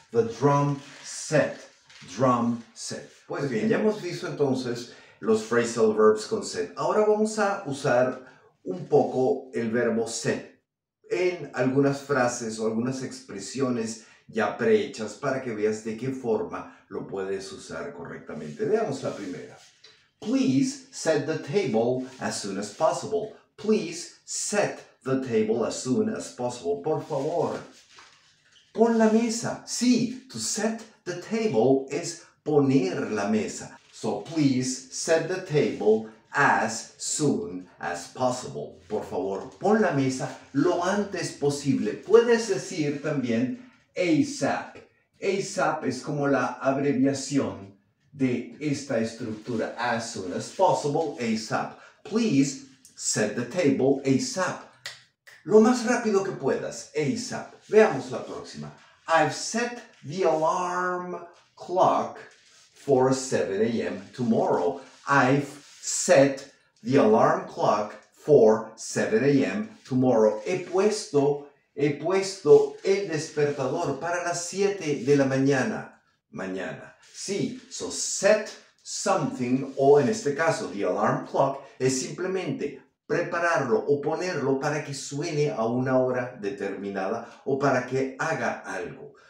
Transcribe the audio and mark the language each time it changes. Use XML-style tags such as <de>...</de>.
<en>The drum set. Drum set.</en> <es>Pues bien, ya hemos visto entonces los phrasal verbs con set. Ahora vamos a usar un poco el verbo set en algunas frases o algunas expresiones ya prehechas para que veas de qué forma lo puedes usar correctamente. Veamos la primera.</es> <en>Please set the table as soon as possible. Please set the table as soon as possible.</en> <es>Por favor, pon la mesa. Sí,</es> <en>to set the table</en> <es>es poner la mesa.</es> <en>So, please set the table as soon as possible.</en> <es>Por favor, pon la mesa lo antes posible. Puedes decir también ASAP. ASAP es como la abreviación de esta estructura.</es> <en>As soon as possible, ASAP. Please set the table ASAP.</en> <es>Lo más rápido que puedas, ASAP. Veamos la próxima.</es> <en>I've set the alarm clock for 7 a.m. tomorrow. I've set the alarm clock for 7 a.m. tomorrow.</en> <es>He puesto el despertador para las 7 de la mañana. Mañana. Sí. So set something, o en este caso,</es> <en>the alarm clock,</en> <es>es simplemente prepararlo o ponerlo para que suene a una hora determinada o para que haga algo.</es>